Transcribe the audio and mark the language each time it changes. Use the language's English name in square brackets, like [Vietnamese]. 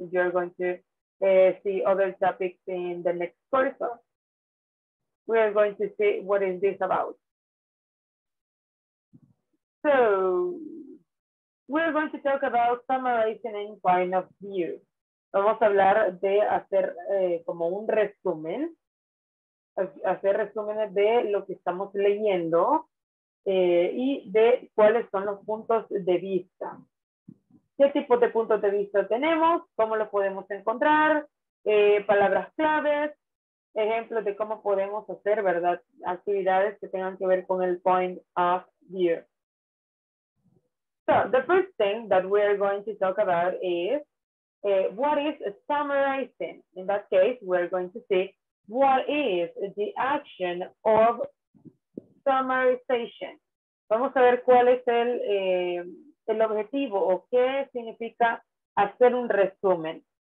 [English] You're going to see other topics in the next course. We are going to see what is this about. So we're going to talk about summarizing and point of view. [Spanish] Vamos a hablar de hacer como un resumen, hacer resúmenes de lo que estamos leyendo y de cuáles son los puntos de vista. ¿Qué tipo de puntos de vista tenemos? ¿Cómo los podemos encontrar? Palabras claves, ejemplos de cómo podemos hacer, ¿verdad? Actividades que tengan que ver con el point of view. [English] So, the first thing that we are going to talk about is what is summarizing? In that case, we are going to see what is the action of summarization. [Spanish] Vamos a ver cuál es el objetivo o qué significa hacer un resumen.